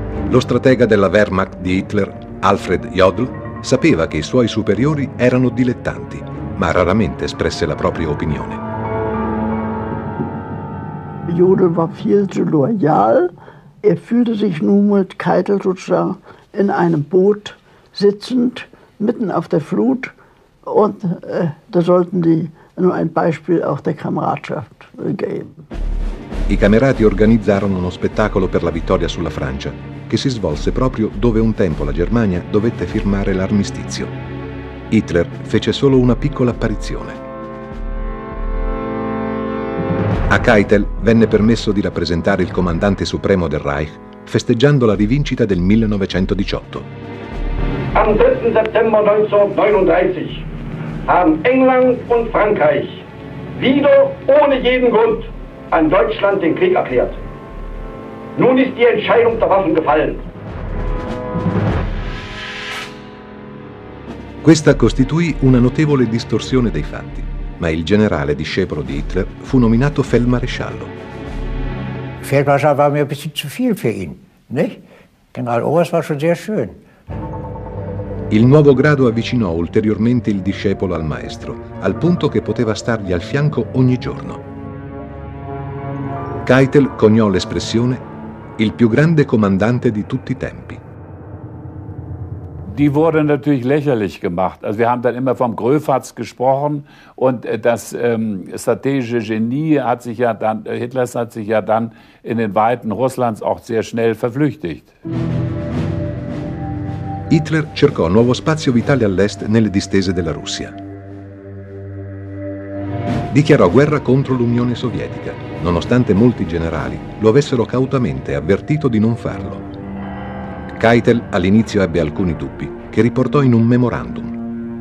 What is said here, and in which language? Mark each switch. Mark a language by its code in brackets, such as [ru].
[it] Lo stratega della Wehrmacht di Hitler, Alfred Jodl, sapeva che i suoi superiori erano dilettanti, ma raramente espresse la propria opinione. [de] Jodl war viel zu loyal. Er fühlte sich nun mit Keitel sozusagen in einem Boot sitzend, mitten auf der Flut. Und da sollten die nur ein Beispiel auch der Kameradschaft geben. [it] I camerati organizzarono uno spettacolo per la vittoria sulla Francia, che si svolse proprio dove un tempo la Germania dovette firmare l'armistizio. Hitler fece solo una piccola apparizione. A Keitel venne permesso di rappresentare il comandante supremo del Reich, festeggiando la rivincita del 1918. [de] Am 3. September 1939 haben England und Frankreich wieder ohne jeden Grund an Deutschland den Krieg erklärt. Nun ist die Entscheidung der Waffen gefallen. [it] Questa costituì una notevole distorsione dei fatti, ma il generale discepolo di Hitler fu nominato Feldmaresciallo. [de] Feldmaresciallo war mir ein bisschen zu viel für ihn, nicht? Generaloberst war schon sehr schön. [it] Il nuovo grado avvicinò ulteriormente il discepolo al maestro, al punto che poteva stargli al fianco ogni giorno. Keitel coniò l'espressione «il più grande comandante di tutti i tempi». [de] Die wurde natürlich lächerlich gemacht. Also wir haben dann immer vom Gröfatz gesprochen und das strategische Genie hat sich ja dann, Hitlers hat sich ja dann in den Weiten Russlands auch sehr schnell verflüchtigt. [it] Hitler cercò nuovo spazio vitale all'est nelle distese della Russia. Dichiarò guerra contro l'Unione Sovietica, nonostante molti generali lo avessero cautamente avvertito di non farlo. Keitel all'inizio ebbe alcuni dubbi, che riportò in un memorandum.